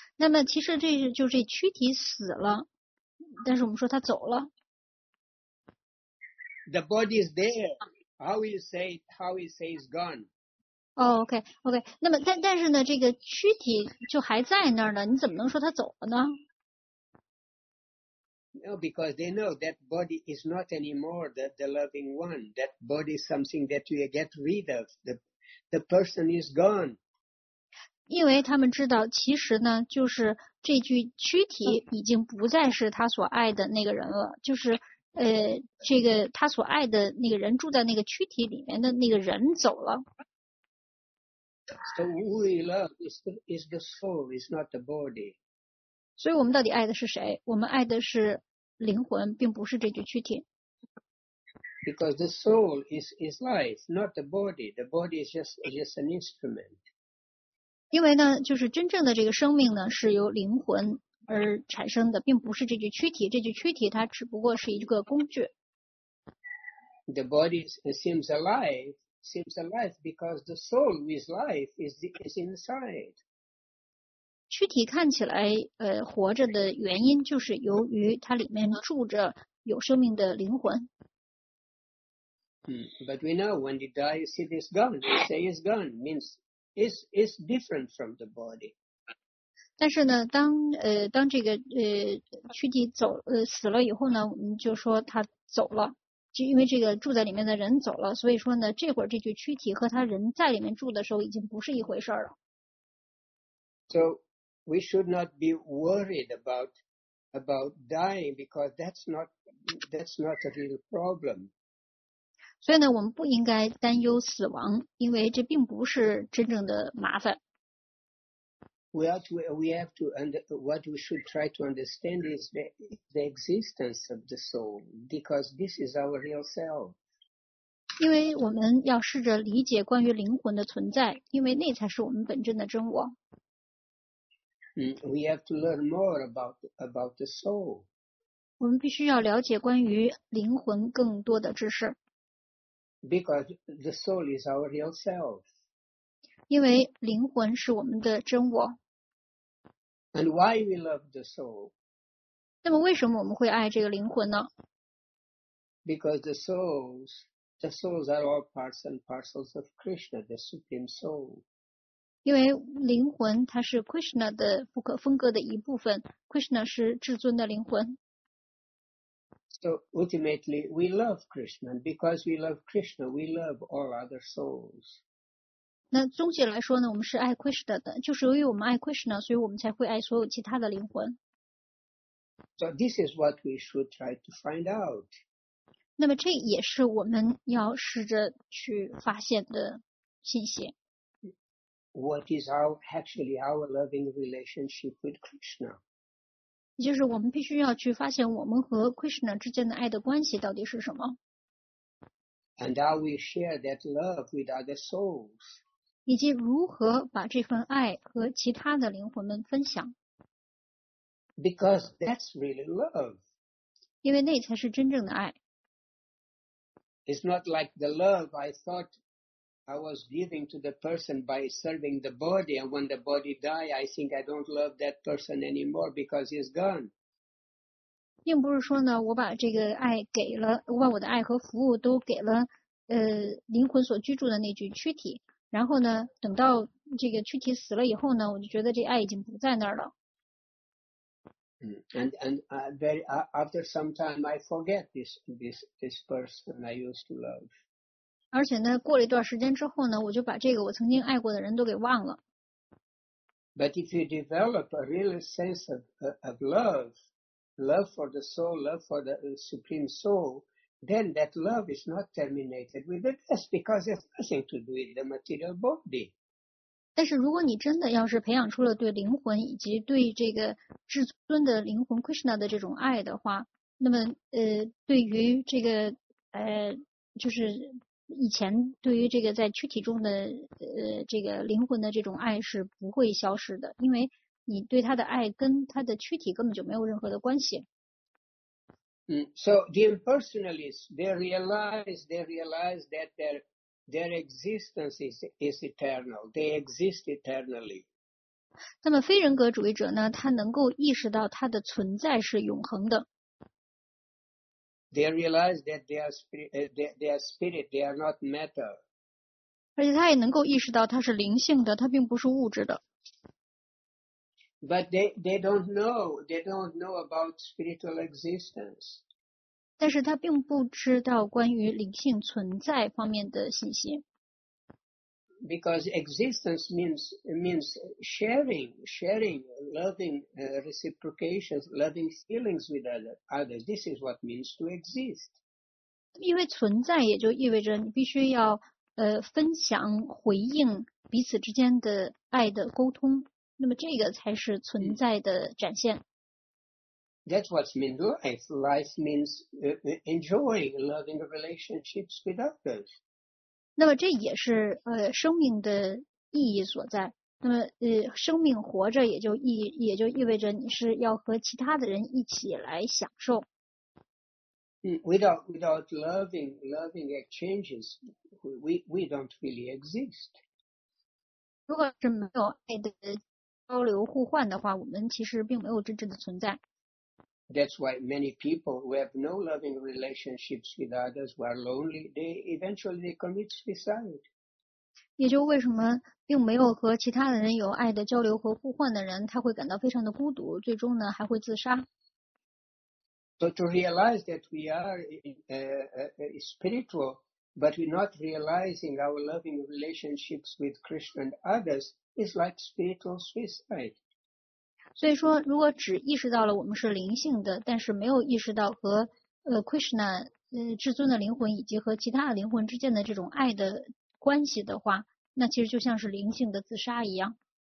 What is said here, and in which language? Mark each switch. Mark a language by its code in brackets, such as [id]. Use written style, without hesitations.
[zh] 那么其实这就是躯体死了，但是我们说他走了。 [en] The body's there. How we say it's gone? Okay. [zh] 那么但是呢，这个躯体就还在那儿呢，你怎么能说他走了呢？ [en] No, because they know that body is not anymore the loving one. That body is something that we get rid of. The person is gone. [zh] 因为他们知道，其实呢，就是这具躯体已经不再是他所爱的那个人了，就是这个他所爱的那个人住在那个躯体里面的那个人走了。 [en] So who we love is the soul, is not the body. [zh] 所以我们到底爱的是谁？我们爱的是灵魂，并不是这具躯体。 [en] Because the soul is life, not the body. The body is just an instrument. [zh] 因为呢，就是真正的这个生命呢，是由灵魂而产生的，并不是这具躯体。这具躯体它只不过是一个工具。 [en] The body seems alive because the soul with life is inside. [zh] 躯体看起来活着的原因，就是由于它里面住着有生命的灵魂。 [en] But we know when you die, you see it's gone. You say it's gone means it's different from the body. [zh] 但是呢，当这个躯体走死了以后呢，我们就说他走了，就因为这个住在里面的人走了，所以说呢，这会儿这具躯体和他人在里面住的时候已经不是一回事了。 [en] So we should not be worried about dying because that's not a real problem. [zh] 所以呢，我们不应该担忧死亡，因为这并不是真正的麻烦。 [en] What we should try to understand is the existence of the soul, because this is our real self. [zh] 因为我们要试着理解关于灵魂的存在，因为那才是我们本真的真我。 [en] We have to learn more about the soul. [zh] 我们必须要了解关于灵魂更多的知识。 [en] Because the soul is our real self. [zh] 因为灵魂是我们的真我。 [en] And why we love the soul? [zh] 那么为什么我们会爱这个灵魂呢？ [en] Because the souls are all parts and parcels of Krishna, the supreme soul. [zh] 因为灵魂它是 Krishna 的不可分割的一部分， Krishna 是至尊的灵魂。 [en] So ultimately, we love Krishna, and because we love Krishna, we love all other souls. [zh] 那总结来说呢，我们是爱 Krishna 的，就是由于我们爱 Krishna， 所以我们才会爱所有其他的灵魂。 [en] So this is what we should try to find out. [zh] 那么这也是我们要试着去发现的信息。 [en] What is actually our loving relationship with Krishna? [zh] 也就是我们必须要去发现我们和 Krishna 之间的爱的关系到底是什么。 [en] And how we share that love with other souls. [zh] 以及如何把这份爱和其他的灵魂们分享。 [en] Because that's really love. [zh] 因为那才是真正的爱。 [en] It's not like the love I thought I was giving to the person by serving the body, and when the body die, I think I don't love that person anymore because he's gone. [zh] 并不是说呢，我把这个爱给了，我把我的爱和服务都给了，灵魂所居住的那具躯体。然后呢，等到这个躯体死了以后呢，我就觉得这爱已经不在那儿了。 [en] After some time, I forget this person I used to love. [zh] 而且呢，过了一段时间之后呢，我就把这个我曾经爱过的人都给忘了。 [en] But if you develop a real sense of love, love for the soul, love for the supreme soul, then that love is not terminated with the death because it's nothing to do with the material body. [zh] 但是如果你真的要是培养出了对灵魂以及对这个至尊的灵魂 Krishna 的这种爱的话，那么对于这个就是。以前对于这个在躯体中的这个灵魂的这种爱是不会消失的，因为你对他的爱跟他的躯体根本就没有任何的关系。 [en] So the impersonalists they realize that their existence is eternal. They exist eternally. [zh] 那么非人格主义者呢，他能够意识到他的存在是永恒的。 [en] They realize that they are spirit, they are not matter. [zh] 而且他也能够意识到他是灵性的，他并不是物质的。 [en] But they don't know about spiritual existence. [zh] 但是他并不知道关于灵性存在方面的信息。 [en] Because existence means sharing, loving reciprocations, loving feelings with others. This is what means to exist. [zh] 因为存在也就意味着你必须要分享回应彼此之间的爱的沟通，那么这个才是存在的展现。 [en] That's what means life. Life means enjoying loving relationships with others. [zh] 那么这也是生命的意义所在。那么生命活着也就意味着你是要和其他的人一起来享受。 [en] Without loving exchanges, we don't really exist. [zh] 如果是没有爱的交流互换的话，我们其实并没有真正的存在。 [en] That's why many people who have no loving relationships with others who are lonely, they eventually commit suicide. [zh] 也就为什么并没有和其他的人有爱的交流和互换的人，他会感到非常的孤独，最终呢还会自杀。 [en] So to realize that we are spiritual, but we're not realizing our loving relationships with Krishna and others is like spiritual suicide. [zh] 所以说，如果只意识到了我们是灵性的，但是没有意识到和Krishna 至尊的灵魂以及和其他的灵魂之间的这种爱的关系的话，那其实就像是灵性的自杀一样。